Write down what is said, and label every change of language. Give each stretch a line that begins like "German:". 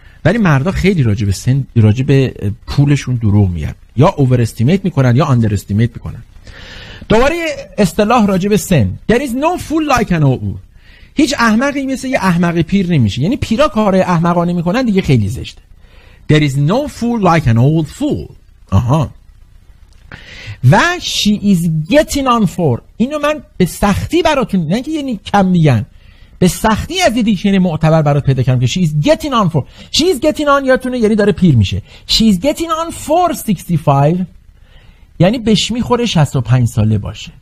Persian: ولی مردا خیلی راجع به سن، راجع به پولشون دروغ میگن. یا اوور استیمیت میکنن یا آندر استیمیت میکنن. دوباره اصطلاح راجع به سن.
English: There is no fool like an old.
Persian: هیچ احمقی مثل یه احمق پیر نمیشه. یعنی پیرا کار احمقانه میکنن دیگه خیلی زشته.
English: There is no fool like an old fool.
Persian: آها. و
English: she is getting on for.
Persian: اینو من به سختی براتون نه که یعنی کم میگن، به سختی از یه دیکشن معتبر برات پیدا کردم که
English: she is getting on for. She is getting on
Persian: یادتونه یعنی داره پیر میشه.
English: She is getting on for 65
Persian: یعنی بهش میخوره 65 ساله باشه.